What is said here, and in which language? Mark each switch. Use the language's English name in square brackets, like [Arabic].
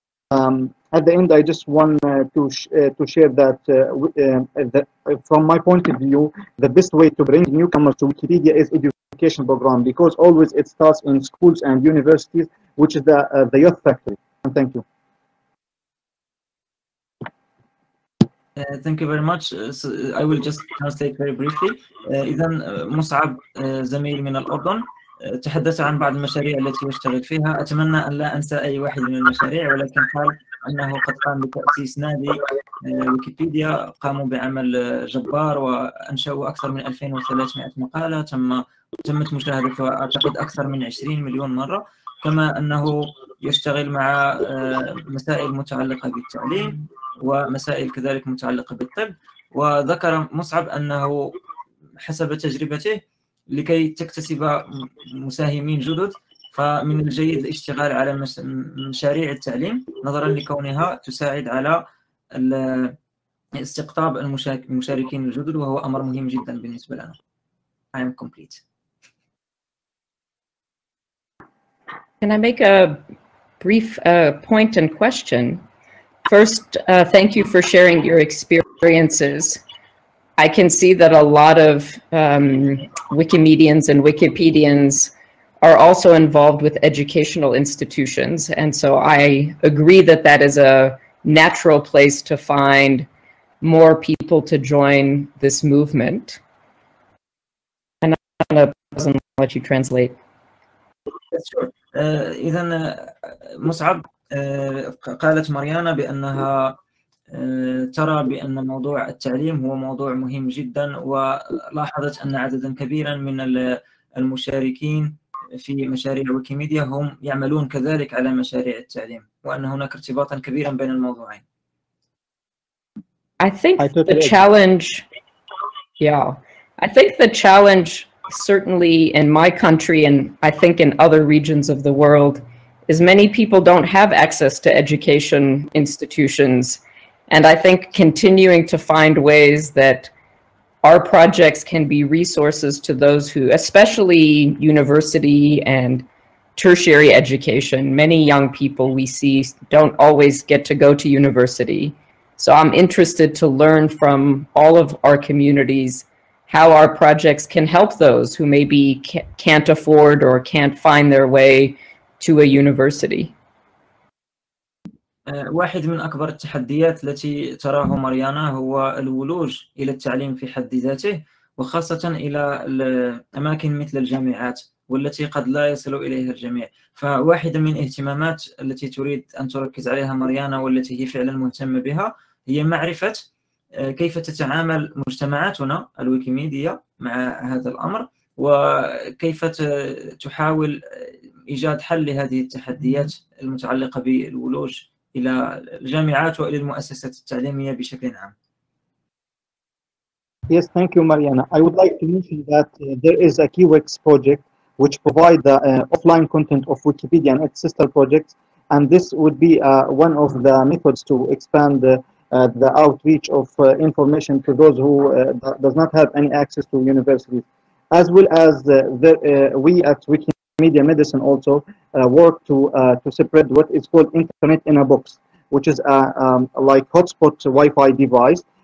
[English] At the end, I just want to share that, that from my point of view, the best way to bring newcomers to Wikipedia is education program, because always it starts in schools and universities, which is the youth factory. And thank you. Thank you very much. So I will just translate very briefly. [Arabic] إذن مصعب زميل من الأردن تحدث عن بعض المشاريع التي يشتغل فيها. أتمنى أن لا أنسى أي واحد من المشاريع، ولكن قال أنه قد قام بتأسيس نادي ويكيبيديا، قاموا بعمل جبار وأنشأوا أكثر من 2300 مقالة تمت مشاهدتها أعتقد أكثر من 20 مليون مرة، كما أنه يشتغل مع مسائل متعلقة بالتعليم ومسائل كذلك متعلقة بالطب. وذكر مصعب أنه حسب تجربته لكي تكتسب مساهمين جدد، فمن الجيد الاشتغال على مشاريع التعليم نظرا لكونها تساعد على استقطاب المشاركين الجدد، وهو أمر مهم جدا بالنسبة لنا. [English] I am complete. Can I make a brief point and question? First, thank you for sharing your experiences. I can see that a lot of Wikimedians and Wikipedians are also involved with educational institutions. And so I agree that that is a natural place to find more people to join this movement. And I'm going to let you translate. [Arabic] إذن مصعب قالت ماريانا بأنها ترى بأن موضوع التعليم هو موضوع مهم جدا، ولاحظت أن عددا كبيرا من المشاركين في مشاريع ويكيميديا هم يعملون كذلك على مشاريع التعليم، وأن هناك ارتباطا كبيرا بين الموضوعين. [English] I think the challenge, I think the challenge certainly in my country, and I think in other regions of the world, is many people don't have access to education institutions. And I think continuing to find ways that our projects can be resources to those who, especially university and tertiary education, many young people we see don't always get to go to university. So I'm interested to learn from all of our communities how our projects can help those who maybe can't afford or can't find their way to a university. [Arabic] واحد من أكبر التحديات التي تراه ماريانا هو الولوج إلى التعليم في حد ذاته، وخاصة إلى الأماكن مثل الجامعات والتي قد لا يصل إليها الجميع. فواحدة من اهتمامات التي تريد أن تركز عليها ماريانا والتي هي فعلا مهتمة بها هي معرفة كيف تتعامل مجتمعاتنا الويكيميديا مع هذا الأمر، وكيف تحاول إيجاد حل لهذه التحديات المتعلقة بالولوج إلى الجامعات وإلى المؤسسات التعليمية بشكل عام. [English] Yes, thank you, Mariana. I would like to mention that there is a KeyWix project which provides the offline content of Wikipedia and its sister projects, and this would be one of the methods to expand the outreach of information to those who does not have any access to universities, as well as we at Wikimedia Medicine also work to separate what is called internet in a box, which is like hotspot Wi-Fi device,